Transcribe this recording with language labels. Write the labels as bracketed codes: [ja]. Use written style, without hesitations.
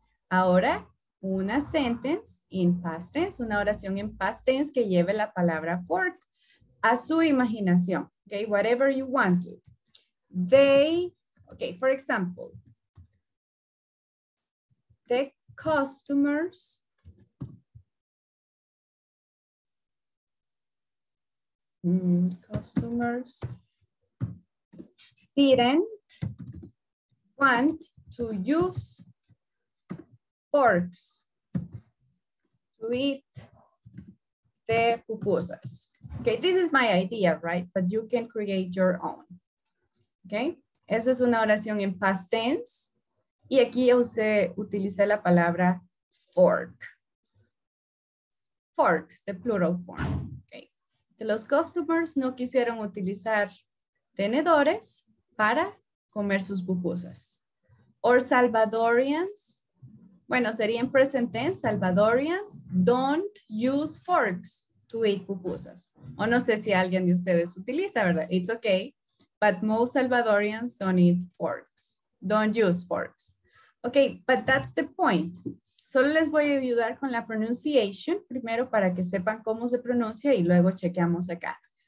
[es] Ahora, una sentence in past tense, una oración en past tense que lleve la palabra fork. A su imaginación, [en] okay, whatever you want to. They, okay, for example, the customers didn't want to use forks to eat the pupusas. Okay, this is my idea, right? But you can create your own. [es] Okay, esa es una oración en past tense. Y aquí utilicé la palabra fork. [en] Forks, the plural form. [es] Okay, que los customers no quisieron utilizar tenedores para comer sus pupusas. [en] Or Salvadorians, [es] bueno, sería en present tense, [en] Salvadorians don't use forks to eat pupusas. [es] O no sé si alguien de ustedes utiliza, ¿verdad? [en] It's okay, but most Salvadorians don't eat forks. Don't use forks. Okay, but that's the point. [es] Solo les voy a ayudar con la pronunciation, primero para que sepan cómo se pronuncia y luego chequeamos acá.